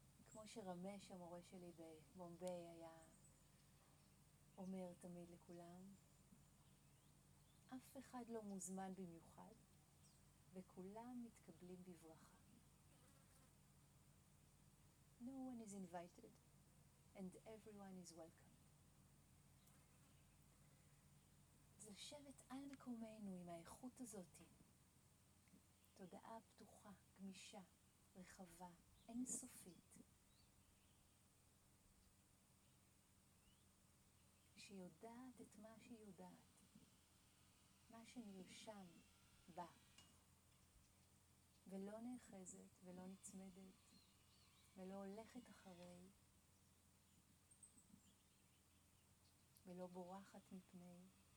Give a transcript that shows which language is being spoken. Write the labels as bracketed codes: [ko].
[he] כמו שרמש המורה שלי בבומביי היה אומר תמיד לכולם, אף אחד לא מוזמן במיוחד וכולם מתקבלים בברכה. [en] No one is invited and everyone is welcome. [he] זה לשבת על מקומנו עם האיכות הזאת, תודעה פתוחה, גמישה, רחבה, אינסופית, שהיא יודעת את מה שהיא יודעת, מה שנרשם בה, ולא נאחזת ולא נצמדת ולא הולכת אחרי ולא בורחת מפני.